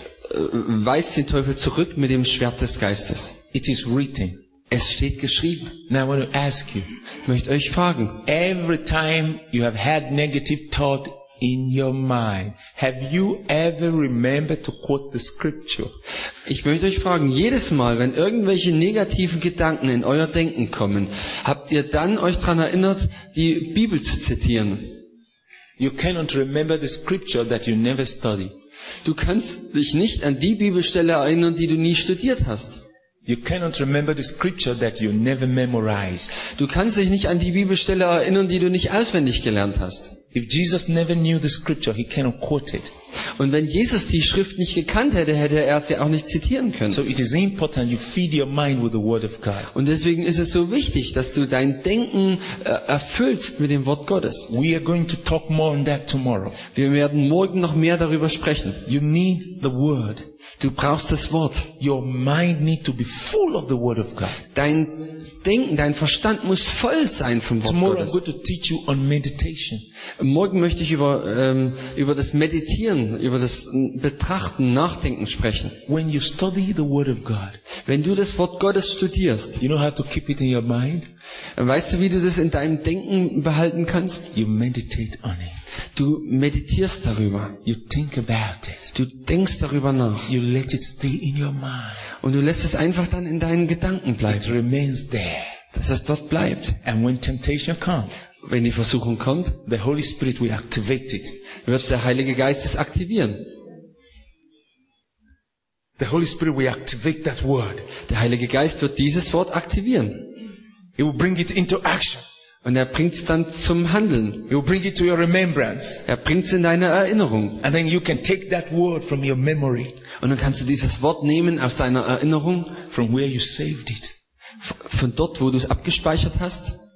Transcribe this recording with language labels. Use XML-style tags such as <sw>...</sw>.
<de>Er weist den Teufel zurück mit dem Schwert des Geistes.</de> <en>It is written.</en> <de>Es steht geschrieben.</de> <en>Now I want to ask you.</en> <de>Möchte euch fragen.</de> <en>Every time you have had negative thought in your mind, have you ever remembered to quote the scripture?</en> <de>Ich möchte euch fragen, jedes Mal, wenn irgendwelche negativen Gedanken in euer Denken kommen, habt ihr dann euch daran erinnert, die Bibel zu zitieren?</de> <en>You cannot remember the scripture that you never studied.</en> <de>Du kannst dich nicht an die Bibelstelle erinnern, die du nie studiert hast.</de> <en>You cannot remember the scripture that you never memorized.</en> <de>Du kannst dich nicht an die Bibelstelle erinnern, die du nicht auswendig gelernt hast.</de> <en>If Jesus never knew the scripture, he cannot quote it.</en> <de>Und wenn Jesus die Schrift nicht gekannt hätte, hätte er sie auch nicht zitieren können.</de> <en>So it is important you feed your mind with the word of God.</en> <de>Und deswegen ist es so wichtig, dass du dein Denken erfüllst mit dem Wort Gottes.</de> <en>We are going to talk more on that tomorrow.</en> <de>Wir werden morgen noch mehr darüber sprechen.</de> <en>You need the word.</en> <de>Du brauchst das Wort.</de> <en>Your mind need to be full of the word of God.</en> <de>Dein Denken, dein Verstand muss voll sein vom Wort</de> <en>Tomorrow</en> <de>Gottes.</de> <en>I'm going to teach you on meditation.</en> <de>Morgen möchte ich über das Meditieren, über das Betrachten, Nachdenken sprechen.</de> <en>When you study the word of God,</en> <de>wenn du das Wort Gottes studierst,</de> <en>you know how to keep it in your mind?</en> <de>Weißt du, wie du das in deinem Denken behalten kannst?</de> <en>You meditate on it.</en> <de>Du meditierst darüber.</de> <en>You think about it.</en> <de>Du denkst darüber nach.</de> <en>You let it stay in your mind.</en> <de>Und du lässt es einfach dann in deinen Gedanken bleiben.</de> <en>It remains there.</en> <de>Dass es dort bleibt.</de> <en>And when temptation comes,</en> <de>wenn die Versuchung kommt,</de> <en>the Holy Spirit will activate it.</en> <de>Wird der Heilige Geist es aktivieren.</de> <en>The Holy Spirit will activate that word.</en> <de>Der Heilige Geist wird dieses Wort aktivieren.</de> <en>He will bring it into action.</en> <de>Und er bringt es dann zum Handeln.</de> <en>He will bring it to your remembrance.</en> <de>Er bringt es in deine Erinnerung.</de> <en>And then you can take that word from your memory.</en> <de>Und dann kannst du dieses Wort nehmen aus deiner Erinnerung.</de> <en>From where you saved it.</en> <de>Von dort, wo du es abgespeichert hast.</de>